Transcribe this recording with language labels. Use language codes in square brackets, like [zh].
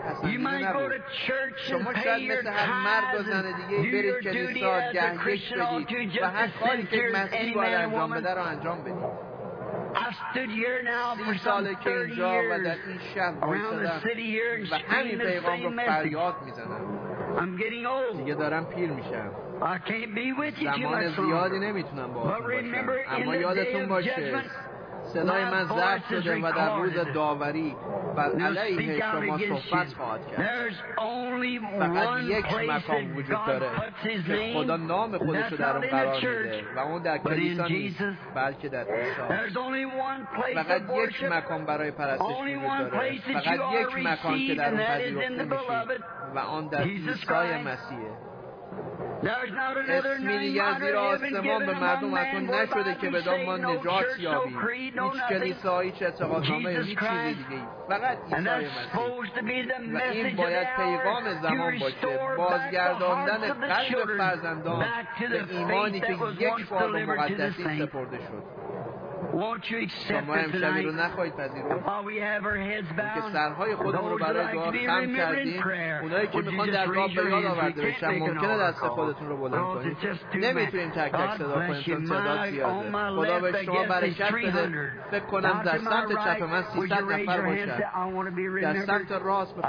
[en] You might go to church and pay your tithes and do your duty as a Christian ought to, just as sincere as any man or woman. I've stood here now for some 30 years around the city here and shouting the same message. I'm getting old. [fa] دیگه دارم پیر میشم. [en] I can't be with you too much. [fa] زمان زیادی نمیتونم با باشم. [en] But remember, [fa] اما یادتون باشه. صدای من ضبط شده و در روز داوری و علیه شما صحبت خواهد کرد. فقط یک مکان وجود داره که خدا نام خودشو در اون قرار میده و اون در کلیسا نیست بلکه در عیسی. فقط یک مکان برای پرستش وجود داره، فقط یک مکان که در اون پذیرفته میشی و آن در عیسی مسیحه. اسمی دیگه از زیر آسمان به مردم عطا نشده که بدان ما نجات یابیم. هیچ کلیسایی، هیچ اعتقادنامه، هیچ چیزی دیگه ای، فقط عیسی مسیح. و این باید پیغام زمان باشه، بازگرداندن قلب فرزندان به ایمانی که یک بار به مقدسین سپرده شد. [en] Won't you accept it tonight? While we have our heads bowed, those that like to be remembered in prayer, would you just raise your hands? We can't make an altar call. Oh, it's just too much. God bless you. My, on my left, I guess it's 300. God, to my right, would you raise your hands that I want to be remembered?